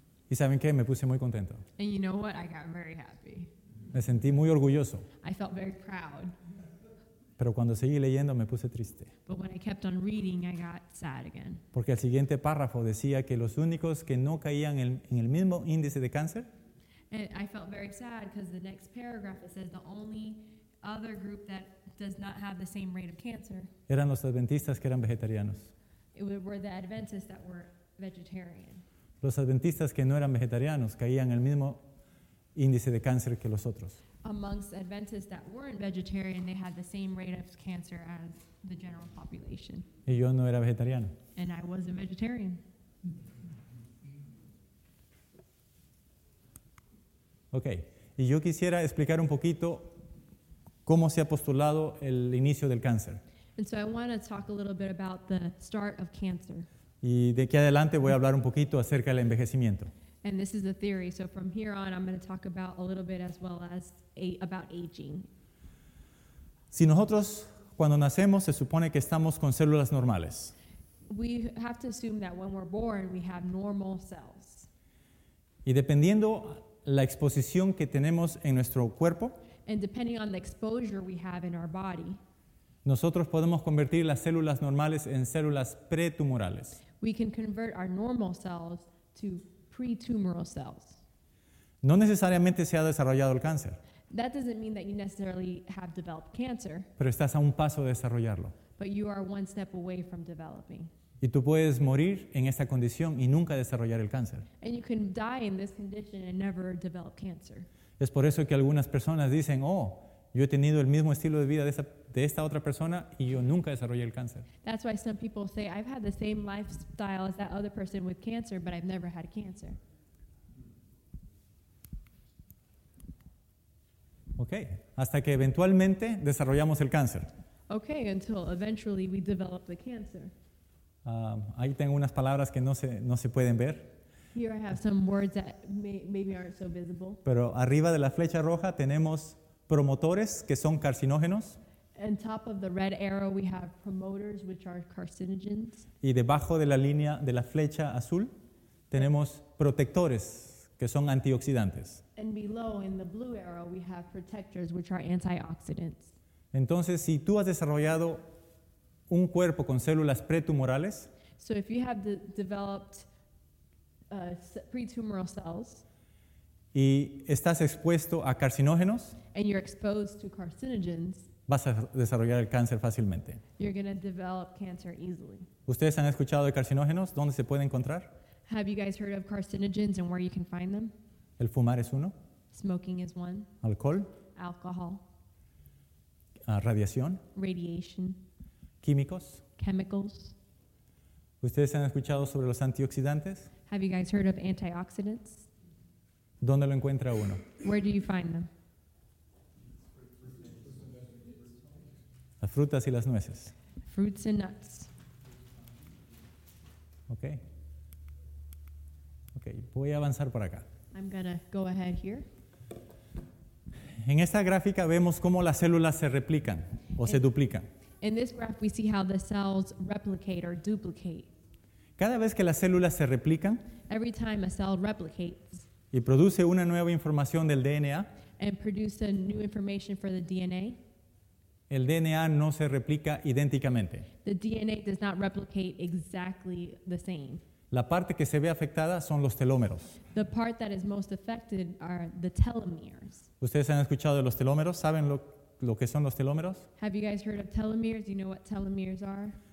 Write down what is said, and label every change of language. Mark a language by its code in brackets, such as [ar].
[es] ¿Y saben qué? Me puse muy contento. [en] And you know what? I got very happy. [es] Me sentí muy orgulloso. [en] I felt very proud. [es] Pero cuando seguí leyendo me puse triste. [en] But when I kept on reading, I got sad again. [es] Porque el siguiente párrafo decía que los únicos que no caían en el mismo índice de cáncer. [en] And I felt very sad because the next paragraph it says the only other group that does not have the same rate of cancer. [es] Eran los adventistas que eran vegetarianos. [en] It were the Adventists that were vegetarian. [es] Los adventistas que no eran vegetarianos caían en el mismo índice de cáncer que los otros. [en] Amongst Adventists that weren't vegetarian, they had the same rate of cancer as the general population. [es] Y yo no era vegetariano. [en] And I was a vegetarian. Okay. [es] Y yo quisiera explicar un poquito cómo se ha postulado el inicio del cáncer. [en] And so I want to talk a little bit about the start of cancer. [es] Y de aquí adelante voy a hablar un poquito acerca del envejecimiento. [en] And this is a theory, so from here on I'm going to talk about a little bit as well as about aging. [es] Si nosotros, cuando nacemos, se supone que estamos con células normales. [en] We have to assume that when we're born, we have normal cells. [es] Y dependiendo la exposición que tenemos en nuestro cuerpo, [en] and depending on the exposure we have in our body, [es] nosotros podemos convertir las células normales en células pretumorales. [en] We can convert our normal cells to pre-tumoral cells. [es] No necesariamente se ha desarrollado el cáncer. [en] That doesn't mean that you necessarily have developed cancer. [es] Pero estás a un paso de desarrollarlo. [en] But you are one step away from developing. [es] Y tú puedes morir en esta condición y nunca desarrollar el cáncer. [en] And you can die in this condition and never develop cancer. [es] Es por eso que algunas personas dicen, oh, yo he tenido el mismo estilo de vida de esta otra persona y yo nunca desarrollé el cáncer. [en] That's why some people say, I've had the same lifestyle as that other person with cancer, but I've never had cancer. Okay. [es] Hasta que eventualmente desarrollamos el cáncer. [en] Okay, until eventually we develop the cancer. [es] Ahí tengo unas palabras que no se pueden ver. [en] Here I have some words that maybe aren't so visible. [es] Pero arriba de la flecha roja tenemos promotores que son carcinógenos. [en] On top of the red arrow we have promoters which are carcinogens. [es] Y debajo de la línea de la flecha azul tenemos protectores que son antioxidantes. [en] And below in the blue arrow we have protectors which are antioxidants. [es] Entonces, si tú has desarrollado un cuerpo con células pretumorales, [en] so if you have developed pretumoral cells, [es] y estás expuesto a carcinógenos, [en] and you're exposed to carcinogens, [es] vas a desarrollar el cáncer fácilmente. [en] You're going to develop cancer easily. [es] ¿Ustedes han escuchado de carcinógenos? ¿Dónde se puede encontrar? [en] Have you guys heard of carcinogens and where you can find them? [es] El fumar es uno. [en] Smoking is one. [es] Alcohol. [en] Alcohol. [es] Radiación. [en] Radiation. [es] Químicos. [en] Chemicals. [es] ¿Ustedes han escuchado sobre los antioxidantes? [en] Have you guys heard of antioxidants? [es] ¿Dónde lo encuentra uno? [en] Where do you find them? [es] Las frutas y las nueces. [en] Fruits and nuts. Okay. [es] Okay, voy a avanzar por acá. [en] I'm going to go ahead here. [es] En esta gráfica vemos cómo las células se replican o se duplican. [en] In this graph we see how the cells replicate or duplicate. [es] Cada vez que las células se replican, [en] every time a cell replicates, [es] y produce una nueva información del DNA, [en] and produce a new information for the DNA, [es] el DNA no se replica idénticamente. [en] The DNA does not replicate exactly the same. [es] La parte que se ve afectada son los telómeros. [en] The part that is most affected are the telomeres. [es] ¿Ustedes han escuchado de los telómeros? ¿Saben lo que son los telómeros? [en] Have you guys heard of telomeres? Do you know what telomeres are?